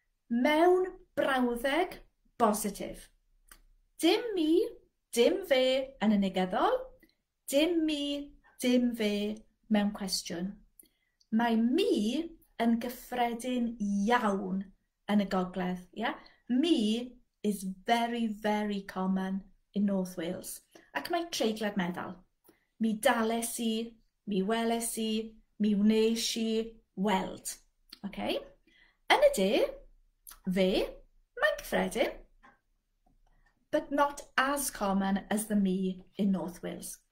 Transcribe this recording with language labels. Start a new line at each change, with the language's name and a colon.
Welsh: Mewn brawddeg positif. Dim mi, dim fe yn y negyddol. Dim mi, dim fe mewn cwestiwn. Mae mi yn gyffredin iawn yn y gogledd.
English: Yeah? Mi is very, very common in North Wales.
Welsh: Ac mae treigled meddal. Mi dales i, mi weles i, mi wnes i, weld. Okay? Yn y de, fe, mae'n gyffredin.
English: But not as common as the me in North Wales.